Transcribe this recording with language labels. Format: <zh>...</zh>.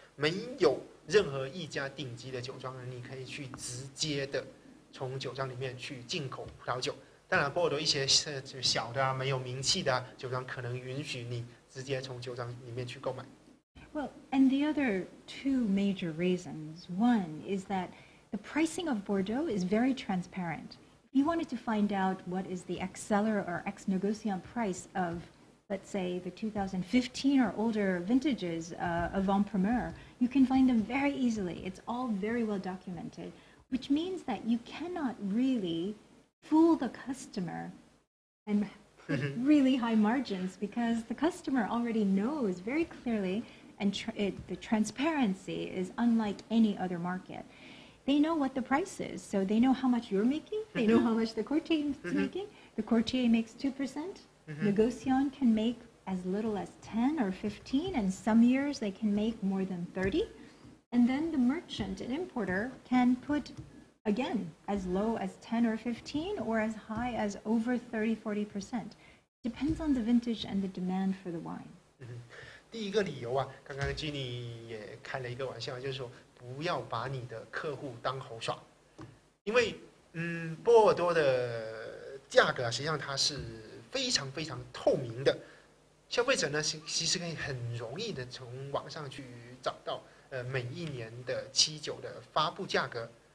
<zh>没有任何一家顶级的酒庄呢，你可以去直接的从酒庄里面去进口葡萄酒。当然，波尔多一些小的、没有名气的酒庄可能允许你直接从酒庄里面去购买。</zh> <en>Well, and the other two major reasons. One is that the pricing of Bordeaux is very transparent. If you wanted to find out what is the ex-seller or ex-negociant price of, let's say, the 2015 or older vintages of Ampemer, you can find them very easily. It's all very well documented, which means that you cannot really... fool the customer and put really high margins because the customer already knows very clearly and the transparency is unlike any other market. They know what the price is, so they know how much you're making, they know how much the courtier is making. The courtier makes 2%, négociant can make as little as 10 or 15, and some years they can make more than 30. And then the merchant and importer can put... Again, as low as 10 or 15, or as high as over 30-40%. Depends on the vintage and the demand for the wine.</en> <zh>第一个理由啊，刚刚 Jenny 也开了一个玩笑，就是说不要把你的客户当猴耍，因为波尔多的价格啊，实际上它是非常非常透明的，消费者呢其实可以很容易的从网上去找到每一年的期酒的发布价格。</zh>